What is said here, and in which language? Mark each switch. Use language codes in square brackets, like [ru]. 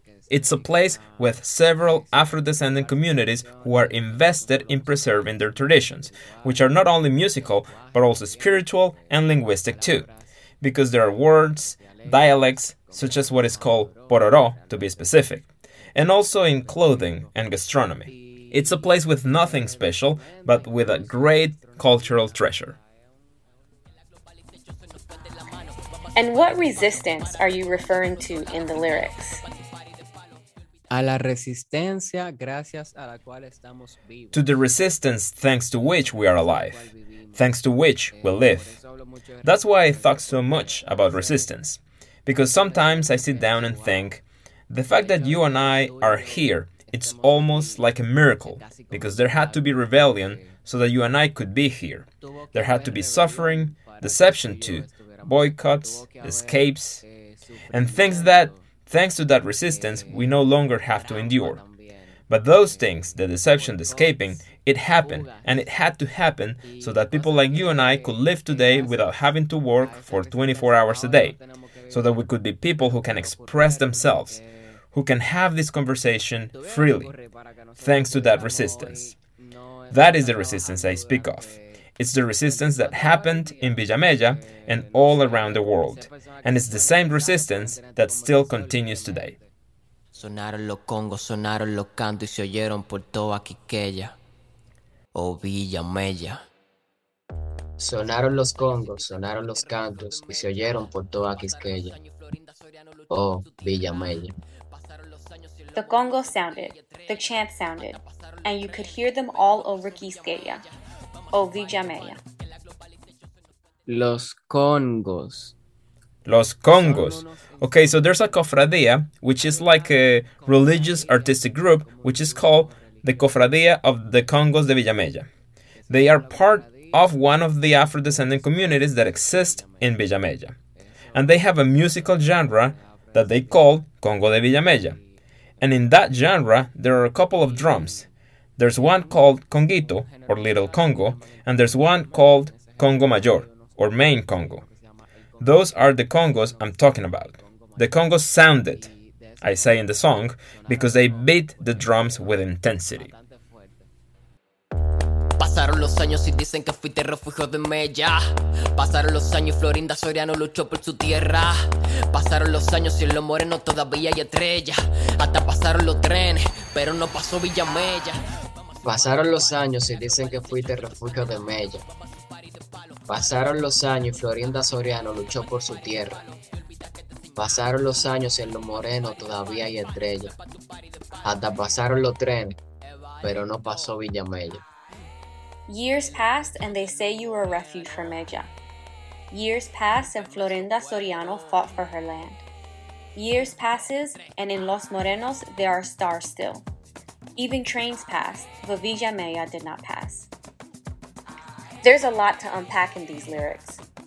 [en] It's a place with several Afro-descendant communities who are invested in preserving their traditions, which are not only musical, but also spiritual and linguistic too, because there are words, dialects, such as what is called pororo, to be specific, and also in clothing and gastronomy. It's a place with nothing special, but with a great cultural treasure. And what resistance are you referring to in the lyrics? [es] A la resistencia gracias a la cual estamos vivos. [en] To the resistance thanks to which we are alive, thanks to which we live. That's why I talk so much about resistance. Because sometimes I sit down and think, the fact that you and I are here, it's almost like a miracle, because there had to be rebellion so that you and I could be here. There had to be suffering, deception too, boycotts, escapes, and things that, thanks to that resistance, we no longer have to endure. But those things, the deception, the escaping, it happened, and it had to happen so that people like you and I could live today without having to work for 24 hours a day, so that we could be people who can express themselves, who can have this conversation freely, thanks to that resistance. That is the resistance I speak of. It's the resistance that happened in Villamella and all around the world. And it's the same resistance that still continues today. [es] Sonaron los congos, sonaron los cantos y se oyeron por toda Quiqueya. Oh, Villamella. Sonaron los congos, sonaron los cantos y se oyeron por toda Quiqueya. Oh, Villamella. [en] The congo sounded, the chant sounded, and you could hear them all over Quiqueya. Oh, Villamella. [es] Los congos. Los congos. [en] Okay, so there's a cofradía, which is like a religious artistic group, which is called the Cofradía of the Congos de Villamella. They are part of one of the Afro-descendant communities that exist in Villamella. And they have a musical genre that they call Congo de Villamella. And in that genre, there are a couple of drums. There's one called Conguito, or Little Congo, and there's one called Congo Mayor, or Main Congo. Those are the congos I'm talking about. The congos sounded, I say in the song, because they beat the drums with intensity. [es] Pasaron los años y dicen que fuiste refugio de Mella. Pasaron los años y Florinda Soriano luchó por su tierra. Pasaron los años y en los morenos todavía hay estrella. Hasta pasaron los trenes, pero no pasó Villamella. Pasaron los años y dicen que fuiste refugio de Mella. Pasaron los años y Florinda Soriano luchó por su tierra. Pasaron los años y en los morenos todavía hay estrella. Hasta pasaron los trenes, pero no pasó Villamella. [en] Years passed and they say you were a refuge for Mella. Years passed and Florinda Soriano fought for her land. Years passes and in Los Morenos there are stars still. Even trains passed, but Villamella did not pass. There's a lot to unpack in these lyrics.